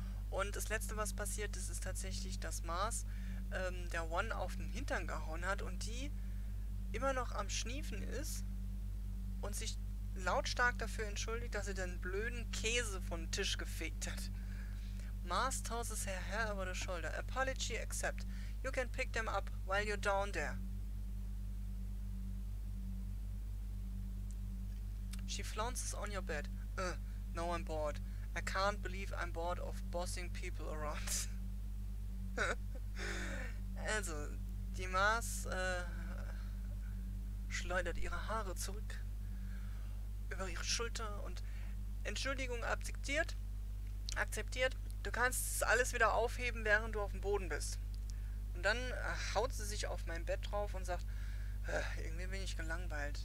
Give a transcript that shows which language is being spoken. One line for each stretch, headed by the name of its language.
German: Und das Letzte, was passiert ist, ist tatsächlich, dass Mars der One auf den Hintern gehauen hat und die immer noch am Schniefen ist und sich lautstark dafür entschuldigt, dass sie den blöden Käse vom Tisch gefegt hat.
English: Mars tosses her hair over the shoulder. Apology accept. You can pick them up while you're down there. She flounces on your bed. No, I'm bored. I can't believe I'm bored of bossing people around.
German: Also, die Mars schleudert ihre Haare zurück über ihre Schulter und Entschuldigung akzeptiert. Akzeptiert. Du kannst alles wieder aufheben, während du auf dem Boden bist. Und dann haut sie sich auf mein Bett drauf und sagt, irgendwie bin ich gelangweilt.